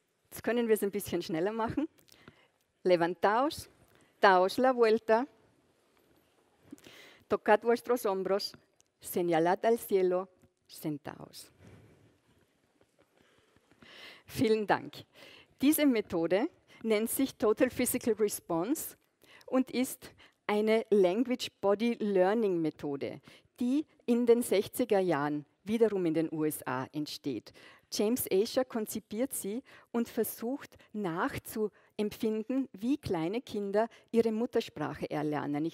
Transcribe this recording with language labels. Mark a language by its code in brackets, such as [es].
[de] Jetzt können wir es ein bisschen schneller machen. [es] Levantaos, daos la vuelta, tocad vuestros hombros, señalad al cielo, sentaos. [de] Vielen Dank. Diese Methode nennt sich Total Physical Response und ist eine Language Body Learning Methode, die in den 60er Jahren wiederum in den USA entsteht. James Asher konzipiert sie und versucht nachzuempfinden, wie kleine Kinder ihre Muttersprache erlernen.